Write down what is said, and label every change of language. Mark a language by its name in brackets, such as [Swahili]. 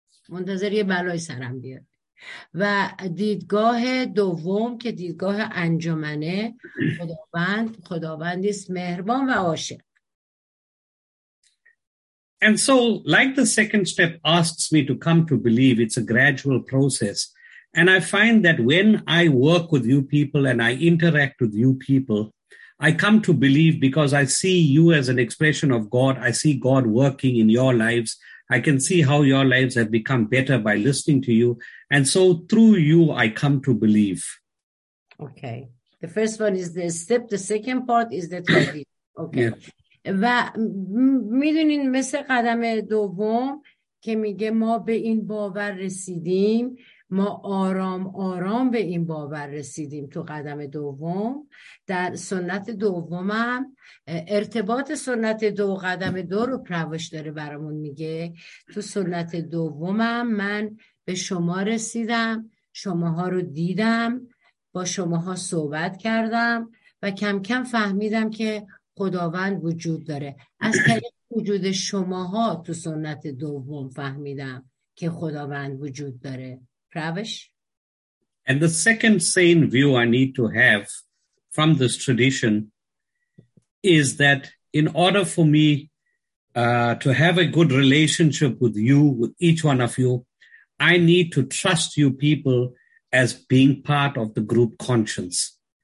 [Persian] منتظر یه بلای سرم بیاد. و دیدگاه دوم که دیدگاه انجمنه، خداوند است مهربان و عاشق. [English] And so like the second step asks me to come to believe it's a gradual process, and I find that when I work with you people and I interact with you people, I come to believe because I see you as an expression of God. I see God working in your lives. I can see how your lives have become better by listening to you. And so through you, I come to believe. Okay. The first one is the step. The second part is the tradition. Okay. Yeah. [Persian] و میدونین مثل قدم دوم که میگه ما به این باور رسیدیم، ما آرام آرام به این باور رسیدیم تو قدم دوم، در سنت دومم ارتباط سنت دو قدم دو رو پروش داره برامون میگه. تو سنت دومم من به شما رسیدم، شماها رو دیدم، با شماها صحبت کردم و کم کم فهمیدم که خداوند وجود داره. از طریق وجود شماها تو سنت دوم فهمیدم که خداوند وجود داره. [English] And the second sane view I need to have from this tradition is that in order for me to have a good relationship with you, with each one of you, I need to trust you people as being part of the group conscience.